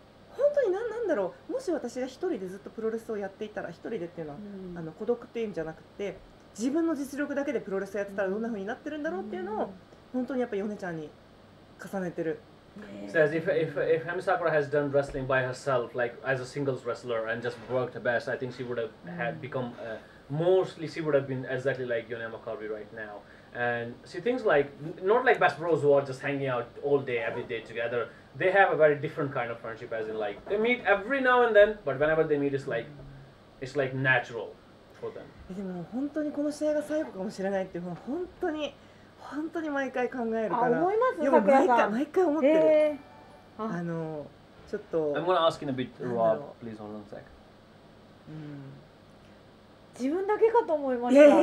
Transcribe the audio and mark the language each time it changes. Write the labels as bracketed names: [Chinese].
[Japanese] 本当に何だろう、もし私が一人でずっとプロレスをやっていたら、一人でっていうのは、うん、あの孤独っていう意味じゃなくて、自分の実力だけでプロレスをやってたらどんな風になってるんだろうっていうのを、うん、本当にやっぱヨネちゃんに重ねてる。 [English] So as if Emi Sakura has done wrestling by herself, like as a singles wrestler and just worked her best, I think she would have had become, mostly she would have been exactly like Yone Makari right now. And she thinks like, not like best bros who are just hanging out all day, every day together. They have a very different kind of friendship, as in like, they meet every now and then, but whenever they meet, it's like natural for them. [Japanese] でも本当にこの試合が最後かもしれないって、もう本当に、本当に毎回考えるから。あ、思います、さくらさん。でも毎回思ってる。あの、ちょっと。 [English] I'm gonna ask in a bit, Rob, please hold on a second. [Japanese] 自分だけかと思いました。